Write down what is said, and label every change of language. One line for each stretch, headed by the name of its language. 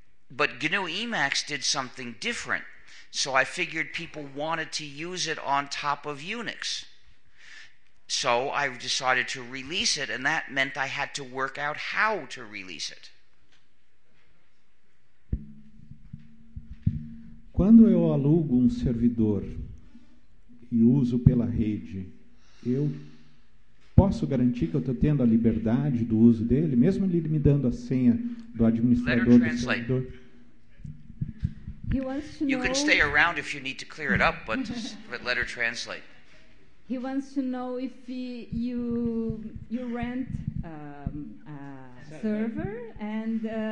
English: But GNU Emacs did something different, so I figured people wanted to use it on top of Unix. So I decided to release it, and that meant I had to work out how to release it.
Portuguese: Quando eu alugo servidor e uso pela rede, eu posso garantir que eu estou tendo a liberdade do uso dele, mesmo ele me dando a senha do administrador do servidor.
English: He wants to know. You can stay around if you need to clear it up, but let her translate. He wants to know if you rent a server and